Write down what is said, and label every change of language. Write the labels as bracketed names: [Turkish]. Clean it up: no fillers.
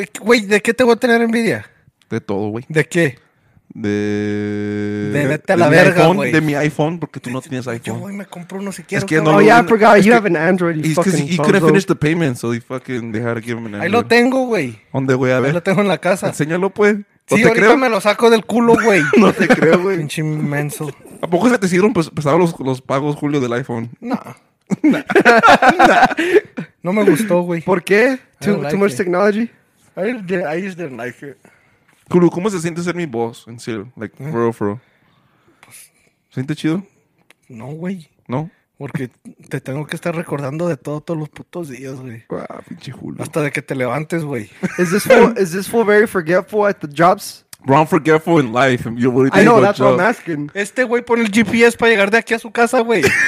[Spanish] Güey, ¿de qué te voy a tener envidia? De todo, güey. ¿De qué? De vete a la verga, güey. De mi iPhone, porque tú no tienes iPhone. Yo, güey, me compro uno si quieres. Es que no, [English] oh, yeah, I forgot. You have an Android. He's fucking he couldn't finish the payment, so they had to give him an Android. [Spanish] Ahí lo tengo, güey. ¿Dónde, güey? A ver. Ahí lo tengo en la casa. Enséñalo, pues. Sí, ahorita creo. Me lo saco del culo, güey. No te creo, güey. Pinche inmenso. ¿A poco se te hicieron pesados los pagos, Julio, del iPhone? Nah. No me gustó, güey. ¿Por qué? [English] Too much technology. I just didn't like it. [Spanish] Culo, ¿cómo se siente ser mi boss? En serio, [English] like for real. [Spanish] Pues, ¿siente chido? No, güey. No. Porque te tengo que estar recordando de todos los putos días, güey. Ah, pinche Julio. Hasta de que te levantes, güey. [English] Is this fool very forgetful at the jobs? Bro, I'm forgetful in life. I know, that's what I'm asking. [Spanish] Este güey pone el GPS para llegar de aquí a su casa, güey.